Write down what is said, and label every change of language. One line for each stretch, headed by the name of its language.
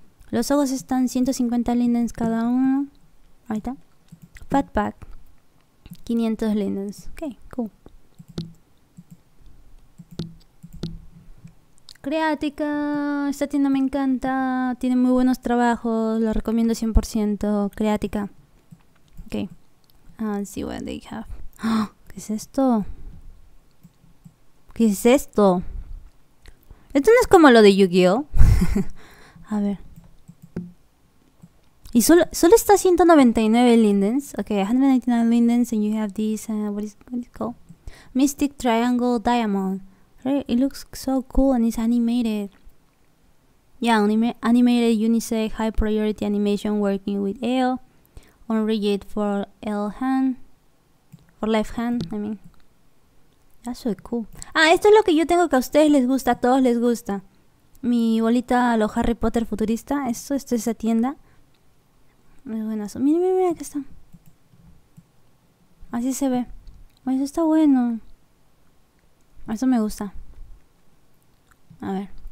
Spanish: Los ojos están 150 lindens cada uno. Ahí está.
English: Fat pack, 500 lindens. Ok, cool.
Spanish: Creática, esta tienda me encanta, tiene muy buenos trabajos, lo recomiendo 100%, Creática.
English: Ok, let's see what they have.
Spanish: ¿Qué es esto? ¿Qué es esto? Esto no es como lo de Yu-Gi-Oh. A ver. Y solo está 199 lindens.
English: Ok, 199 lindens and you have this, what is it called? Mystic Triangle Diamond. It looks so cool and it's animated. Yeah, animated unisex high priority animation working with L on rigid for L hand. For left hand, I mean. That's so cool.
Spanish: Ah, esto es lo que yo tengo que a ustedes les gusta, a todos les gusta. Mi bolita, lo Harry Potter futurista. Esto es esa tienda. Es buenazo. Mira, aquí está. Así se ve. Eso está bueno. Eso me gusta. A ver.